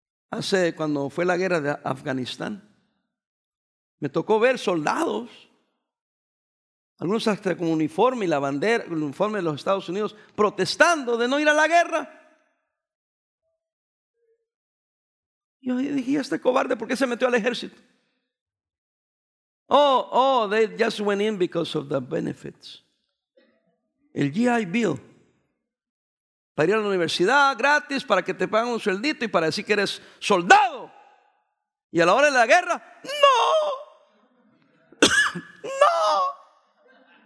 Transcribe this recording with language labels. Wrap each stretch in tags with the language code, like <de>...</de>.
<es>Hace cuando fue la guerra de Afganistán, me tocó ver soldados, algunos hasta con uniforme y la bandera, el uniforme de los Estados Unidos, protestando de no ir a la guerra. Yo dije, este cobarde, ¿por qué se metió al ejército?</es> <en>Oh, they just went in because of the benefits.</en> <es>El GI Bill. Para ir a la universidad gratis, para que te paguen un sueldito y para decir que eres soldado. Y a la hora de la guerra, ¡no! ¡No!</es>